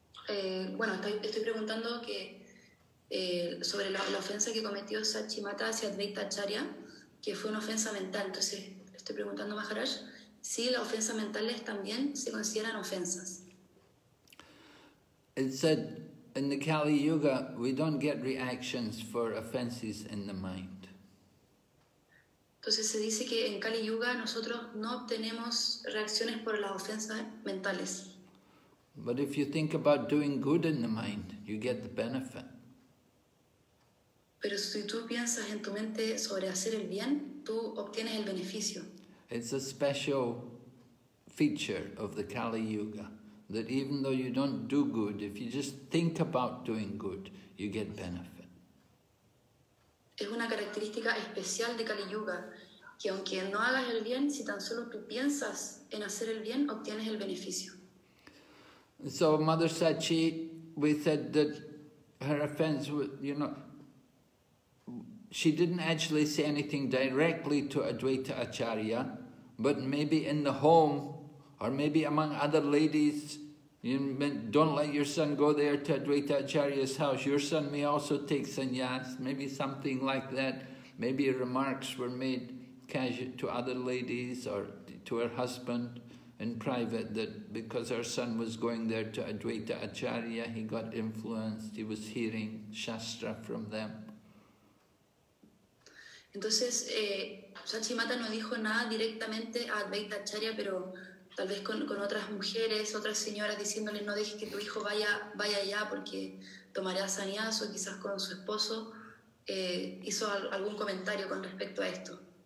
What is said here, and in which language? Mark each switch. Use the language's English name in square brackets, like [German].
[Spanish] Estoy preguntando que sobre la ofensa que cometió Sachimata hacia Advaita Acharya, que fue una ofensa mental. Entonces, estoy preguntando, Maharaj, si las ofensas mentales también se consideran ofensas. [English] It said In the Kali Yuga, we don't get reactions for offenses in the mind. [Spanish] Entonces se dice que en Kali Yuga nosotros no obtenemos reacciones por las ofensas mentales. [English] But if you think about doing good in the mind, you get the benefit. [Spanish] Pero si tú piensas en tu mente sobre hacer el bien, tú obtienes el beneficio. [English] It's a special feature of the Kali Yuga that even though you don't do good, if you just think about doing good, you get benefit. [Spanish] Es una característica especial de Kali Yuga que aunque no hagas el bien, si tan solo tú piensas en hacer el bien, obtienes el beneficio. [English] So Mother Sachi, we said that her offense, you know, she didn't actually say anything directly to Advaita Acharya, but maybe in the home, or maybe among other ladies, you don't let your son go there to Advaita Acharya's house, your son may also take sannyas, maybe something like that, maybe remarks were made casual to other ladies or to her husband in private, that because her son was going there to Advaita Acharya, he got influenced, he was hearing shastra from them. [Spanish] Entonces, Sachimata no dijo nada directamente a Advaita Acharya, pero tal vez con otras mujeres, otras señoras, diciéndole no dejes que tu hijo vaya allá porque tomará sannyas, o quizás con su esposo, hizo algún comentario con respecto a esto.